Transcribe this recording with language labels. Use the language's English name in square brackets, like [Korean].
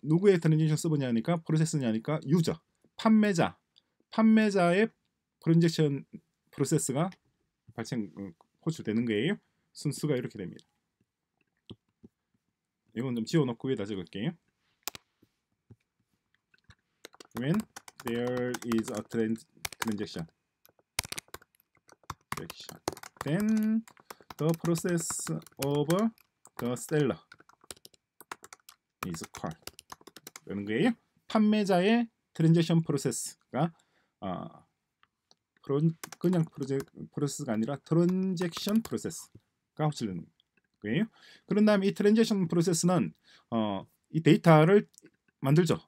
[Korean] 누구의 트랜잭션 서버냐니까 프로세스냐니까 유저. 판매자의 트랜잭션 프로세스가 호출되는 거예요. 순수가 이렇게 됩니다. 이건 좀 지워놓고 위에다 적을게요. [English] When there is a transaction, then the process of the seller is called. [Korean] 라는 거예요. 판매자의 트랜잭션 프로세스가 그냥 프로세스가 아니라 트랜잭션 프로세스가 호출되는 거예요. 그런 다음에 이 트랜잭션 프로세스는 이 데이터를 만들죠.